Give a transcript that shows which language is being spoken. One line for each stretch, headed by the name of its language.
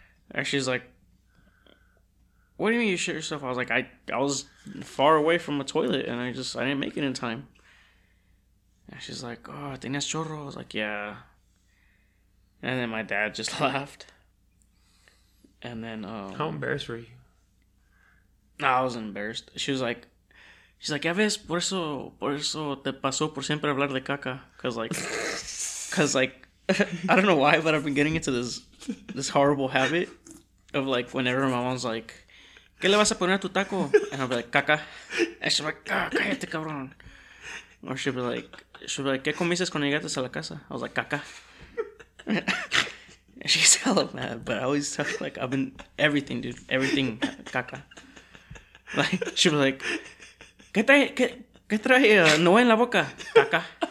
English: And she's like, what do you mean you shit yourself? I was like, I was far away from a toilet, and I didn't make it in time. And she's like, oh,
Spanish: tenías chorro.
English: I was like, yeah. And then my dad just laughed. And then... How embarrassed were you? Nah, I was embarrassed. She's like,
Spanish: ya ves, por eso te pasó por siempre hablar de caca.
English: Because I don't know why, but I've been getting into this horrible habit of, like, whenever my mom's like,
Spanish: ¿qué le vas a poner a tu taco?
English: And I'll be like, caca. And she'll be like,
Spanish: ah, cállate, cabrón.
English: Or she'll be like,
Spanish: ¿qué comiste cuando llegaste a la casa?
English: I was like, caca. She's hella mad, but I always tell, like, I've been, everything, dude, everything, caca. Like, she was like,
Spanish: ¿Qué trae no en la boca, caca?